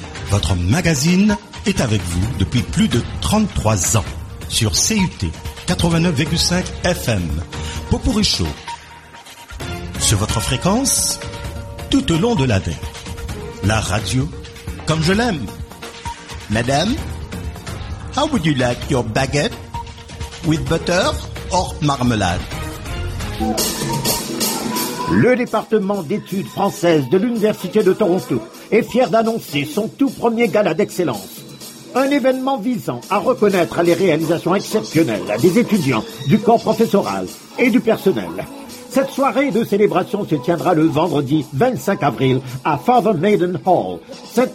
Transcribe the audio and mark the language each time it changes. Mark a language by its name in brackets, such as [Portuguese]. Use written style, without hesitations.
[French] Votre magazine est avec vous depuis plus de 33 ans. Sur CUT 89,5 FM, Popourri Show, sur votre fréquence, tout au long de l'année, la radio, comme je l'aime. [English] Madame, how would you like your baguette, with butter or marmalade? [French] Le département d'études françaises de l'Université de Toronto est fier d'annoncer son tout premier gala d'excellence. Un événement visant à reconnaître les réalisations exceptionnelles des étudiants, du corps professoral et du personnel. Cette soirée de célébration se tiendra le vendredi 25 avril à Father Maiden Hall, St.